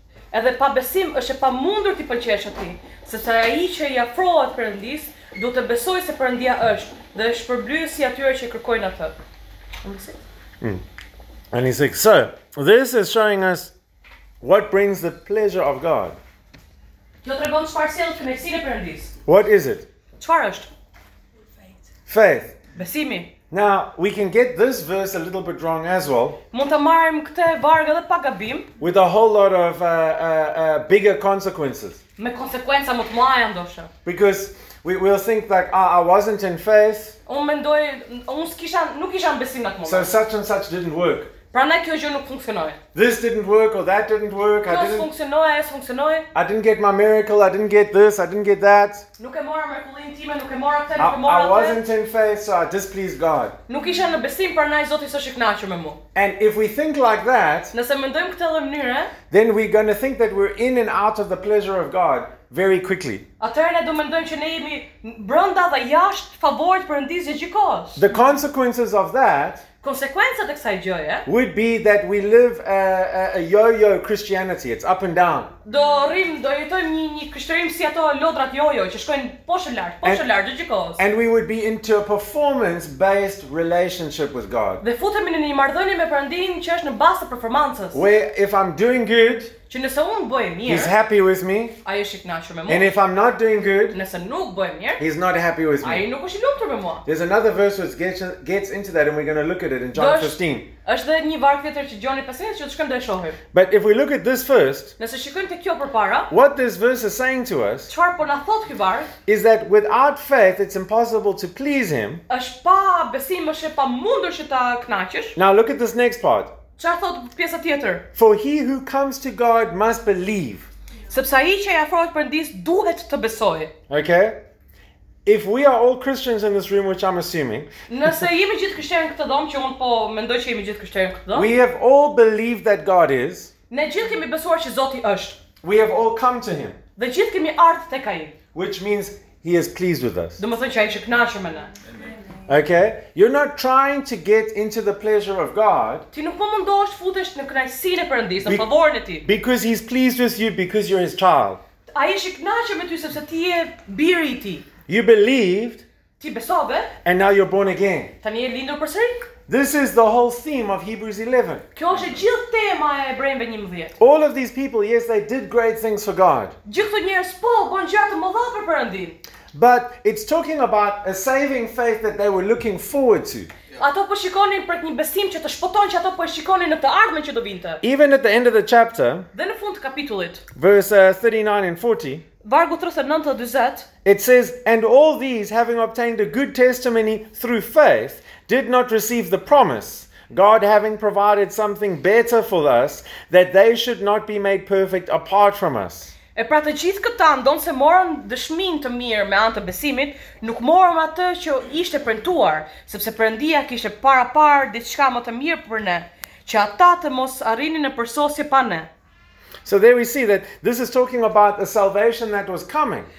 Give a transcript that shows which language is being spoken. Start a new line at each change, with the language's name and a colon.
Albanian: Edhe pa besim është e pamundur t'i pëlqesh atij, sepse ai që I afrohet Perëndis, duhet të besojë se Perëndia është dhe është përblyesi atyre që kërkojnë atë.
English: And he says, so, this is showing us what brings the pleasure of God.
Albanian: Kjo tregon çfarë sjell kënaqësinë e Perëndis.
English: What is it?
Albanian: Çfarë është?
English: Faith.
Albanian: Besimi.
English: Now, we can get this verse a little bit wrong as well.
Albanian: Mund ta marrim këtë varg edhe pa gabim.
English: With a whole lot of bigger consequences.
Albanian: Me konsekuenca më të mëdha ndoshta.
English: Because we'll think that I wasn't in faith.
Albanian: Unë mendoj nuk kisha besim atë moment.
English: So such and such didn't work.
Albanian: Prandaj kjo gjë nuk funksionoi.
English: This didn't work or that didn't work.
Albanian: Kjo funksionoi, as funksionoi.
English: I didn't get my miracle, I didn't get this, I didn't get that.
Albanian: Nuk e mora mrekullin time, nuk e mora këtë, nuk e mora atë.
English: I wasn't in faith, so I displeased God.
Albanian: Nuk isha në besim, prandaj Zoti s'është I kënaqur me mua.
English: And if we think like that,
Albanian: nëse mendojmë këtë mënyrë,
English: then we're going to think that we're in and out of the pleasure of God very quickly.
Albanian: Atëherë ne do mendojmë që ne jemi brenda dhe jashtë favorit Perëndis gjithkohës.
English: The consequences of that
Albanian: konsekuencat e kësaj gjëje
English: would be that we live a yo-yo Christianity. It's up and down.
Albanian: Do jetojmë një krishterim si ato lodrat yo-yo që shkojnë poshtë lart gjithkohës.
English: And we would be into a performance-based relationship with God.
Albanian: Dhe futemi në një marrëdhënie me Perëndin që është në bazë të performancës.
English: Where if I'm doing good,
Albanian: që nëse unë bëj mirë,
English: he's happy with me.
Albanian: Ai është I kënaqur me mua.
English: And if I'm not doing good,
Albanian: nëse nuk bëj mirë,
English: he's not happy with me.
Albanian: Ai nuk është I lumtur me mua.
English: There's another verse which gets into that and we're going to look at it in John 15.
Albanian: Është edhe një varg tjetër që Gjoni 15 që shkojmë të shohim.
English: But if we look at this first,
Albanian: nëse shikojmë te kjo përpara,
English: what this verse is saying to us,
Albanian: çfarë po na thot ky varg,
English: is that without faith it's impossible to please him.
Albanian: Është pa besim është e pamundur që ta kënaqësh.
English: Now look at this next part.
Albanian: Çfarë thot pjesa tjetër?
English: For he who comes to God must believe.
Albanian: Sepse ai që I afrohet Perëndis duhet të besojë.
English: Okay? If we are all Christians in this room, which I'm assuming,
Albanian: nëse jemi gjithë krishterë në këtë dhomë, që unë po mendoj që jemi gjithë krishterë në këtë dhomë,
English: we have all believed that God is.
Albanian: Ne gjithë kemi besuar që Zoti është.
English: We have all come to him.
Albanian: Dhe gjithë kemi ardhur tek ai.
English: Which means he is pleased with us.
Albanian: Do të thotë që ai është I kënaqur me ne.
English: Okay? You're not trying to get into the pleasure of God.
Albanian: Ti nuk po mundohesh futesh në kënaqësinë e Perëndisë, në favorin e Tij.
English: Because he's pleased with you because you're his child.
Albanian: Ai është I kënaqur me ty sepse ti je biri I Tij.
English: You believed.
Albanian: Ti besove.
English: And now you're born again.
Albanian: Tani je lindur përsëri.
English: This is the whole theme of Hebrews 11.
Albanian: Kjo është gjithë tema e Hebrejve 11.
English: All of these people, yes, they did great things for God.
Albanian: Gjithë këto njerëz po bën gjëra të mëdha për Perëndin.
English: But it's talking about a saving faith that they were looking forward to.
Albanian: Ato po shikonin për një besim që të shpoton që ato po e shikonin në të ardhmen që do vinte.
English: Even at the end of the chapter.
Albanian: Dhe në fund të kapitullit.
English: Verse 39 and 40.
Albanian: Vargu 39 dhe 40.
English: It says, and all these having obtained a good testimony through faith, did not receive the promise, God having provided something better for us, that they should not be made perfect apart from us.
Albanian: E pra të gjithë këta ndonë se morën dëshmin të mirë me anë të besimit, nuk morëm atë që ishte premtuar, sepse Perëndia kishte para parë diçka më të mirë për ne, që ata të mos arrinin në përsosje pa ne.
English: So there we see that this is talking about a salvation that was coming.